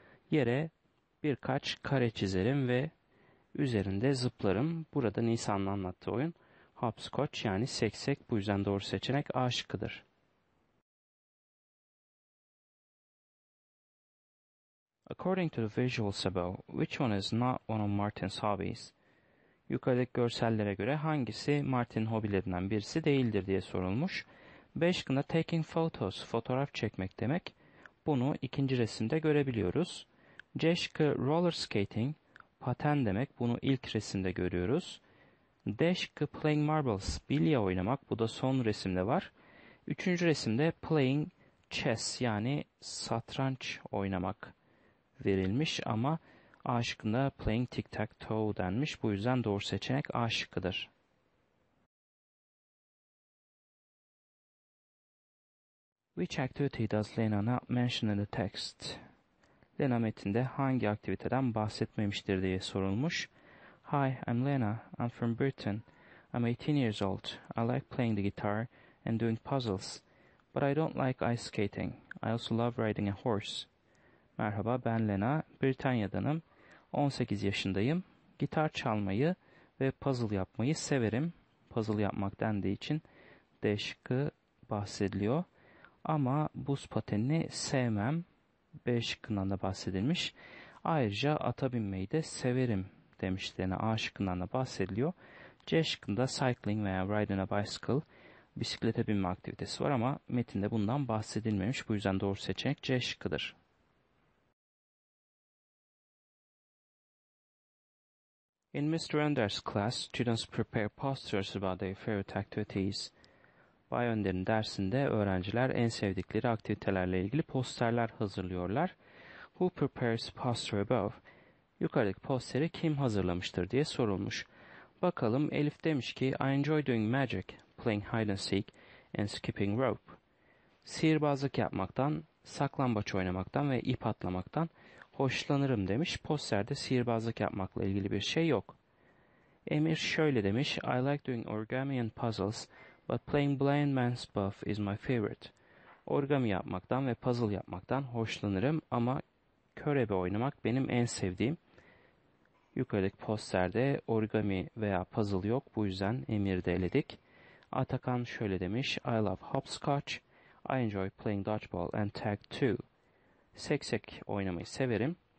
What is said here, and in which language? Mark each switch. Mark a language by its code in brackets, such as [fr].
[tr] Yere birkaç kare çizerim ve üzerinde zıplarım. Burada Nisa'nın anlattığı oyun hopscotch, yani seksek. Bu yüzden doğru seçenek A şıkkıdır. [en] According to the visuals above, which one is not one of Martin's hobbies? [tr] Yukarıdaki görsellere göre hangisi Martin'in hobilerinden birisi değildir diye sorulmuş. B şıkkında taking photos, fotoğraf çekmek demek. Bunu ikinci resimde görebiliyoruz. C şıkkı roller skating, paten demek. Bunu ilk resimde görüyoruz. D şıkkı playing marbles, bilye oynamak. Bu da son resimde var. Üçüncü resimde playing Chess yani satranç oynamak verilmiş ama A şıkkında playing tic tac toe denmiş. Bu yüzden doğru seçenek A şıkkıdır. [en] Which activity does Lena not mention in the text? Lena metinde hangi aktiviteden bahsetmemiştir diye sorulmuş. Hi, I'm Lena. I'm from Britain. I'm 18 years old. I like playing the guitar and doing puzzles. But I don't like ice skating. I also love riding a horse. [tr] Merhaba, ben Lena. Britanya'danım. 18 yaşındayım. Gitar çalmayı ve puzzle yapmayı severim. Puzzle yapmak dendiği için D şıkkı bahsediliyor. Ama buz patenini sevmem. B şıkkından da bahsedilmiş. Ayrıca ata binmeyi de severim demişlerine A şıkkından da bahsediliyor. C şıkkında cycling veya riding a bicycle bisiklete binme aktivitesi var ama metinde bundan bahsedilmemiş. Bu yüzden doğru seçenek C şıkkıdır. [en] In Mr. Önder's class, students prepare posters about their favorite activities. [tr] Bay Önder'in dersinde öğrenciler en sevdikleri aktivitelerle ilgili posterler hazırlıyorlar. Who prepares poster above? Yukarıdaki posteri kim hazırlamıştır diye sorulmuş. [en] Bakalım Elif demiş ki I enjoy doing magic, playing hide and seek and skipping rope. [tr] Sihirbazlık yapmaktan, saklambaç oynamaktan ve ip atlamaktan hoşlanırım demiş. Posterde sihirbazlık yapmakla ilgili bir şey yok. [en] Emir şöyle demiş. I like doing origami and puzzles, but playing blind man's buff is my favorite. [tr] Origami yapmaktan ve puzzle yapmaktan hoşlanırım ama körebe oynamak benim en sevdiğim. Yukarıdaki posterde origami veya puzzle yok. Bu yüzden Emir'i de eledik. Atakan şöyle demiş. I love hopscotch. [en] I enjoy playing dodgeball and tag too. Seksek oynamayı severim.